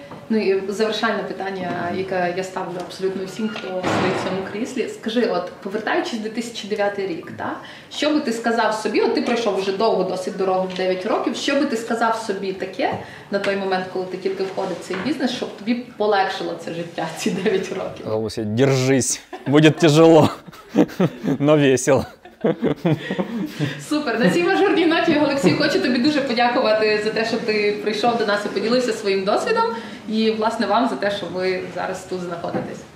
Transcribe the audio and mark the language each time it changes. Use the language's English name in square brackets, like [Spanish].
[Ukrainian] Ну і завершальне питання, яке я ставлю абсолютно всім, хто стоїть в цьому кріслі. Скажи, от повертаючись в 2009 рік, та, що би ти сказав собі, от ти пройшов вже довго, досить дорогу, 9 років, що би ти сказав собі таке на той момент, коли ти тільки входив в цей бізнес, щоб тобі полегшило це життя, ці 9 років? [Russian] Галуся, держись, буде тяжело, но весело. [Ukrainian] Супер. На цій мажорній ноті, Олексій, хочу тобі дуже подякувати за те, що ти прийшов до нас і поділився своїм досвідом. І, власне, вам за те, що ви зараз тут знаходитесь.